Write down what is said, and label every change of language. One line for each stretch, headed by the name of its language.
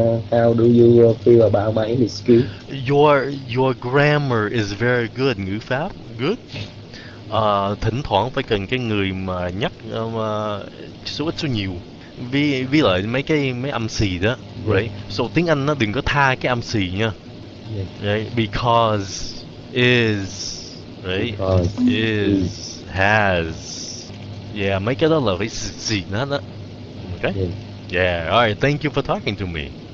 English: How do you feel about my English skill? Your grammar is very good.
Vietnamese: Ngữ pháp.
English: Good.
Vietnamese: Thỉnh thoảng phải cần cái người mà nhắc số ít số nhiều vì lại mấy âm xì đó, right? So tiếng Anh nó đừng có tha cái âm xì nha, right?
English: Because is, right? Because is has, yeah,
Vietnamese: mấy cái đó là phải xì nó đó, okay?
English: Yeah, alright, thank you for talking to me.